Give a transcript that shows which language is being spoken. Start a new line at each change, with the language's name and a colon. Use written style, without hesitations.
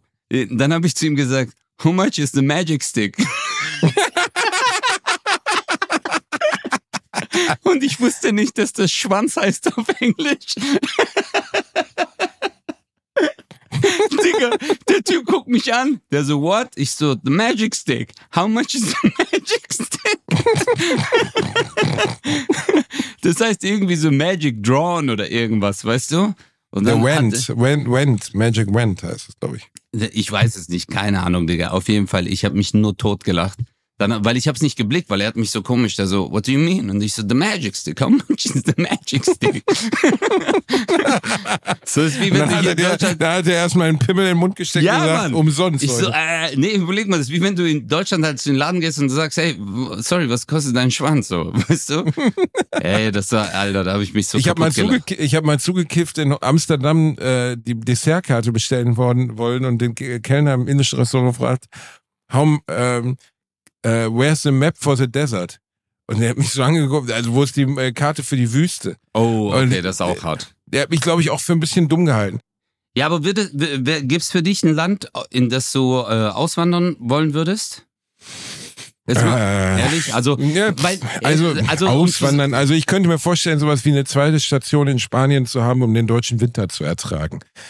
German: Und dann habe ich zu ihm gesagt,
English: how much is the magic stick?
German: Und ich wusste nicht, dass das Schwanz heißt auf Englisch. Digga, der Typ guckt mich an, der so,
English: what?
German: Ich so,
English: the magic stick. How much is the magic stick?
German: Das heißt irgendwie so magic drawn oder irgendwas, weißt du? Und dann went, magic went heißt es, glaube ich. Ich weiß es nicht, keine Ahnung, Digga. Auf jeden Fall, ich habe mich nur tot gelacht. Dann, weil ich hab's nicht geblickt, weil er hat mich so komisch, der so,
English: what do you mean?
German: Und ich so,
English: the magic stick, how much is the magic stick?
German: So ist wie wenn du hier in Deutschland... Da hat er erstmal einen Pimmel in den Mund gesteckt und gesagt, umsonst. Ich Leute. So, überleg mal, das ist wie wenn du in Deutschland halt zu den Laden gehst und du sagst, hey, sorry, was kostet dein Schwanz so, weißt du? Ey, das war, Alter, da habe ich mich so kaputt gelacht. Ich hab mal zugekifft in Amsterdam, die Dessertkarte bestellen wollen und den Kellner im indischen Restaurant gefragt,
English: how... where's the map for the desert?
German: Und er hat mich so angeguckt, also wo ist die Karte für die Wüste? Oh, okay, und das ist auch hart. Der hat mich, glaube ich, auch für ein bisschen dumm gehalten. Ja, aber gibt es für dich ein Land, in das du auswandern wollen würdest? Ehrlich? Auswandern, also ich könnte mir vorstellen, sowas wie eine zweite Station in Spanien zu haben, um den deutschen Winter zu ertragen.